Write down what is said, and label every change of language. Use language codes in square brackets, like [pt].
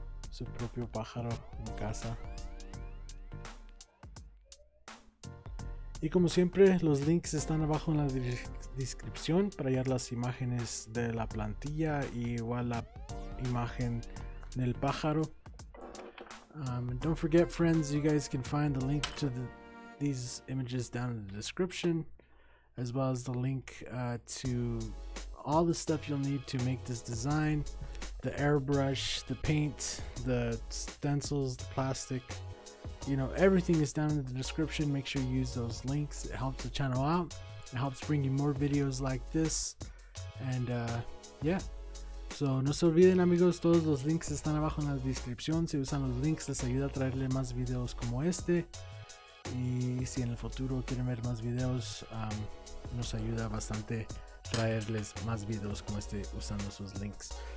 [es] Su propio pájaro en casa. Y como siempre, los links están abajo en la descripción para hallar las imágenes de la plantilla y igual la imagen del pájaro. [en] And don't forget, friends, you guys can find the link to these images down in the description, as well as the link to all the stuff you'll need to make this design. The airbrush, the paint, the stencils, the plastic, you know, everything is down in the description. Make sure you use those links. It helps the channel out. It helps bring you more videos like this. And yeah. [es] So no se olviden, amigos, todos los links están abajo en la descripción. Si usan los links, les ayuda a traerle más videos como este. Y si en el futuro quieren ver más videos, nos ayuda bastante traerles más videos como este usando sus links.